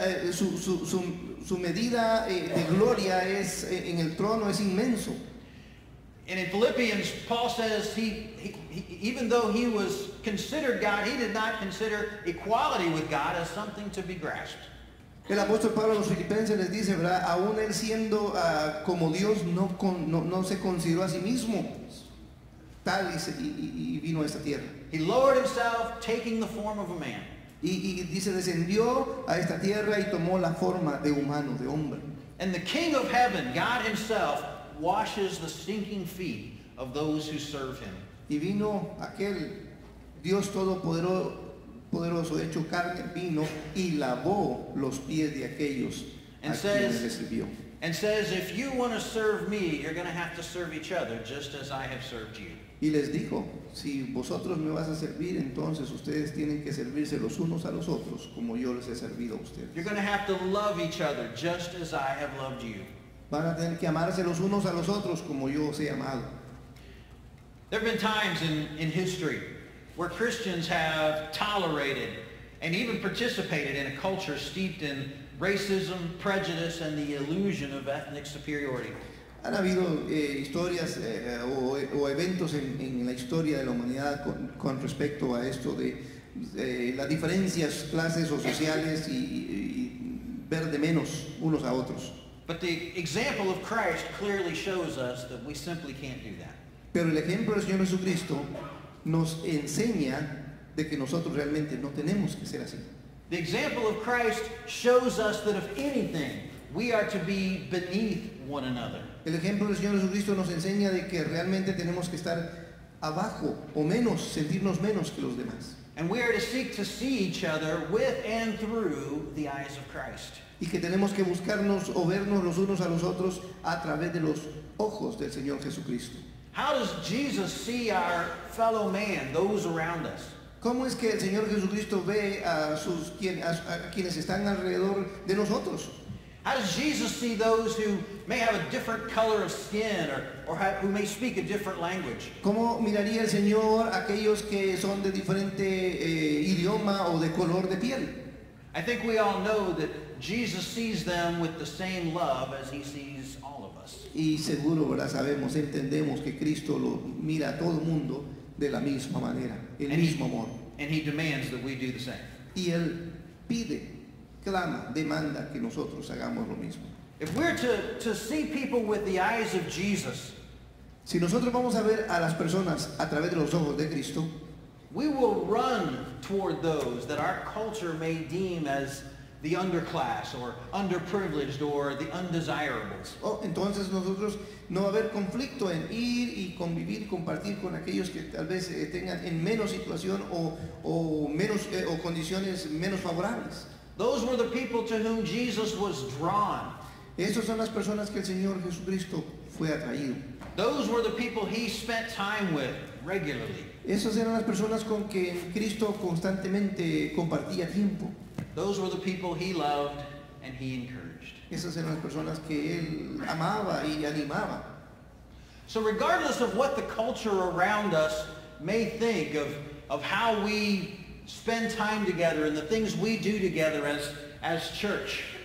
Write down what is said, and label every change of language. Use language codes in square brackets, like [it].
[es] Su medida de gloria es en el trono es inmenso. [en] And in Philippians, Paul says he even though he was considered God, he did not consider equality with God as something to be grasped. [es] El apóstol Pablo a los filipenses les dice, ¿verdad? Aún él siendo como Dios, no se consideró a sí mismo tal y vino a esta tierra. [en] He lowered himself, taking the form of a man. [es] Y dice, descendió a esta tierra y tomó la forma de humano, de hombre. [en] And the King of Heaven, God himself, washes the stinking feet of those who serve him. [es] Y vino aquel Dios Todopoderoso hecho carne vino y lavó los pies de aquellos [en] and a says, [es] quienes recibió. [en] And says, if you want to serve me, you're going to have to serve each other just as I have served you. [es] Y les dijo, si vosotros me vas a servir, entonces ustedes tienen que servirse los unos a los otros como yo les he servido a ustedes. [en] You're going to have to love each other just as I have loved you. [es] Van a tener que amarse los unos a los otros como yo os he amado. [en] There have been times in history where Christians have tolerated and even participated in a culture steeped in racism, prejudice, and the illusion of ethnic superiority. [es] Han habido historias o eventos en la historia de la humanidad con respecto a esto de las diferencias, clases o sociales y ver de menos unos a otros. [en] But the example of Christ clearly shows us that we simply can't do that. [es] Pero el ejemplo del Señor Jesucristo nos enseña de que nosotros realmente no tenemos que ser así. [en] The example of Christ shows us that if anything, we are to be beneath one another. [es] El ejemplo del Señor Jesucristo nos enseña de que realmente tenemos que estar abajo o menos, sentirnos menos que los demás. [en] And we are to seek to see each other with and through the eyes of Christ. [es] Y que tenemos que buscarnos o vernos los unos a los otros a través de los ojos del Señor Jesucristo. [en] How does Jesus see our fellow man, those around us? [es] ¿Cómo es que el Señor Jesucristo ve a quienes están alrededor de nosotros? [en] How does Jesus see those who may have a different color of skin who may speak a different language? [es] ¿Cómo miraría el Señor aquellos que son de diferente idioma o de color de piel? [en] I think we all know that Jesus sees them with the same love as he sees all of us. [es] Y seguro, ¿verdad? Sabemos, entendemos que Cristo lo mira a todo el mundo de la misma manera, el mismo amor. [en] And he demands that we do the same. [es] Y él pide, clama, demanda que nosotros hagamos lo mismo. [en] If we're to see people with the eyes of Jesus, [es] si nosotros vamos a ver a las personas a través de los ojos de Cristo, [en] we will run toward those that our culture may deem as the underclass or underprivileged or the undesirables. [es] Oh, entonces nosotros no va a haber conflicto en ir y convivir y compartir con aquellos que tal vez tengan en menos situación o condiciones menos favorables. [en] Those were the people to whom Jesus was drawn. [es] Esas son las personas que el Señor Jesucristo fue atraído. [en] Those were the people he spent time with regularly. [es] Esas eran las personas con que Cristo constantemente compartía tiempo. [en] Those were the people he loved and he encouraged. [es] Esas eran las personas que él amaba y animaba. [en] So regardless of what the culture around us may think of how we spend time together and the things we do together as church.